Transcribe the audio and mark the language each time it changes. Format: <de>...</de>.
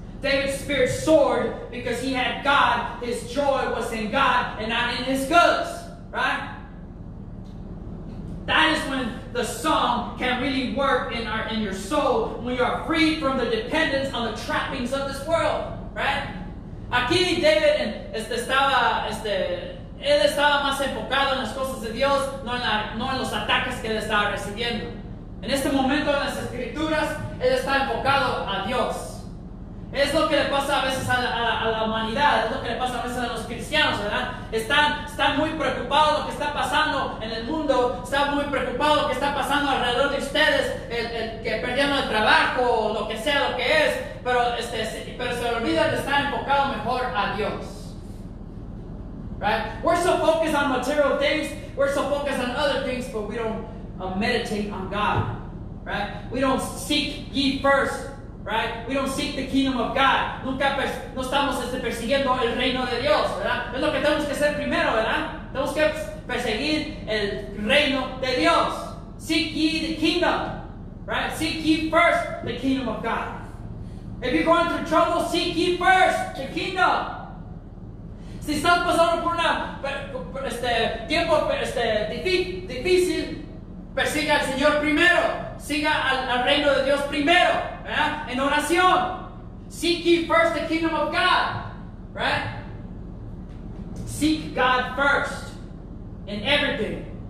<en>David's spirit soared because he had God. His joy was in God and not in his goods, right? That is when the song can really work in your soul, when you are free from the dependence on the trappings of this world. Right?</en> <es>Aquí David él estaba más enfocado en las cosas de Dios, no en los ataques que él estaba recibiendo. En este momento en las escrituras, él está enfocado a Dios. Es lo que le pasa a veces a la humanidad, es lo que le pasa a veces a los cristianos, ¿verdad? Están muy preocupados lo que está pasando en el mundo, están muy preocupados lo que está pasando alrededor de ustedes, el que perdieron el trabajo, o lo que sea lo que es, pero se olvida de estar enfocado mejor a Dios.</es> <en>Right? We're so focused on material things, we're so focused on other things, but we don't meditate on God. Right? We don't seek ye first. Right? We don't seek the kingdom of God.</en> <es>Nunca no estamos persiguiendo el reino de Dios, ¿verdad? Es lo que tenemos que hacer primero, ¿verdad? Tenemos que perseguir el reino de Dios.</es> <en>Seek ye the kingdom. Right? Seek ye first the kingdom of God. If you're going through trouble, seek ye first the kingdom.</en> <es>Si estás pasando por un tiempo difícil, persiga al Señor primero. Siga al reino de Dios primero. ¿Verdad? En oración.</es> <en>Seek ye first the kingdom of God. Right? Seek God first in everything.</en>